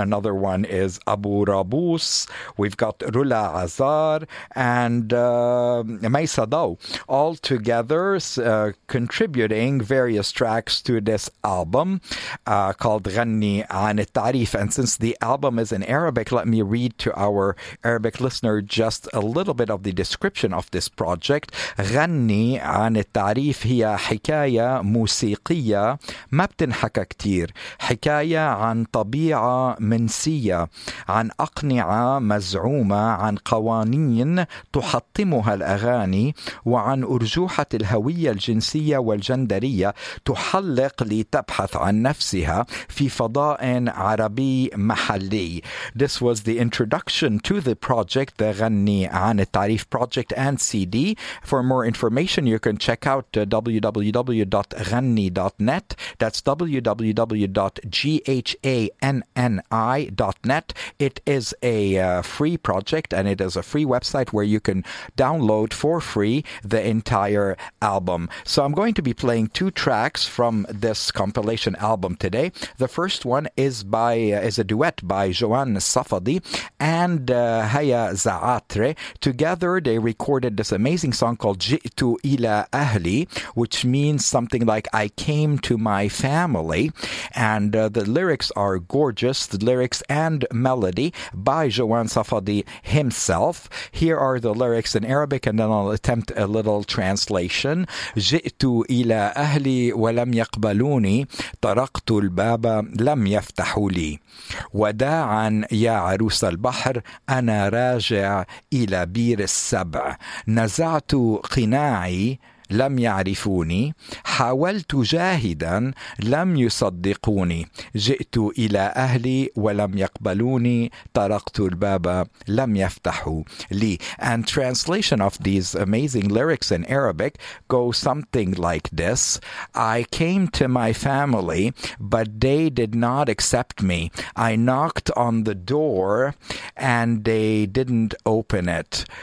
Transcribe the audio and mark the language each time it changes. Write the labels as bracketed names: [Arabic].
[English] Another one is Abu Rabus. We've got Rula Azar and Maisa Dow, all together contributing various tracks to this album called Ghanni An Tarif. And since the album is in Arabic, let me read to our Arabic listener just a little bit of the description of this project. [Arabic] Ghanni An Tarif هي حكاية موسيقية ما بتنحكى كتير، حكاية عن طبيعة منسية، عن أقنعة مزعومة، عن قوانين تحطمها الأغاني، وعن أرجوحة الهوية الجنسية والجندرية تحلق لتبحث عن نفسها في فضاء عربي محلي. [English] This was the introduction to the project, the Ghanni An Tarif project and CD. For more information, you can check out www.ghanni.net. That's www.ghanni.net. It is a free project and it is a free website where you can download for free the entire album. So I'm going to be playing two tracks from this compilation album today. The first one is by is a duet by Joanne Safadi and Haya Zaatre. Together, they recorded this amazing song called Jitu Ila Ahli, which means something like I came to my family. And the lyrics are gorgeous, the lyrics and melody by Joanne Safadi himself. Here are the lyrics in Arabic, and then I'll attempt a little translation. [Arabic] جئتُ إلى أهلي ولم يقبلوني طرقت الباب لم يفتحوا لي وداعا يا عروس البحر أنا راجع إلى بير السبع نزعت قناعي لم يعرفوني حاولت جاهدا لم يصدقوني جئت إلى أهلي ولم يقبلوني طرقت الباب لم يفتحوا لي. [English] And translation of these amazing lyrics in Arabic go something like this. I came to my family, but they did not accept me. I knocked on the door and they didn't open it.